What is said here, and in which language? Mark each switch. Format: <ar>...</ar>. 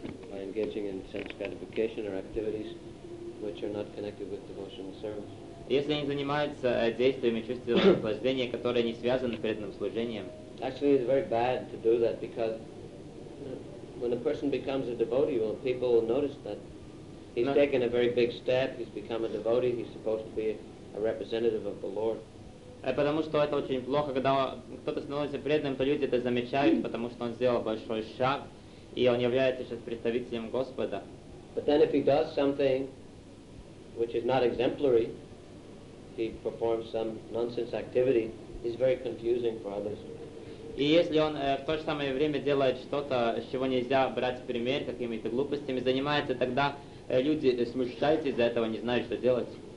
<en>By engaging in sense gratification or activities which are not connected with devotional service.</en> <ru>Если они занимаются действиями чувственного наслаждения, которые не связаны с преданным служением.</ru> <en>Actually, it's very bad to do that because when a person becomes a devotee, well, people will notice that he's taken a very big step, he's become a devotee, he's supposed to be a representative of the Lord.</en> <ru>Потому что это очень плохо, когда кто-то становится преданным, то люди это замечают, потому что он сделал большой шаг, и он является сейчас представителем Господа.</ru> <en>But then if he does something which is not exemplary, he performs some nonsense activity, is very confusing for others.</en> <ru>И если он в то же самое время делает что-то, с чего нельзя брать пример, какими-то глупостями занимается, тогда люди смущаются из-за этого, не знают, что делать.</ru>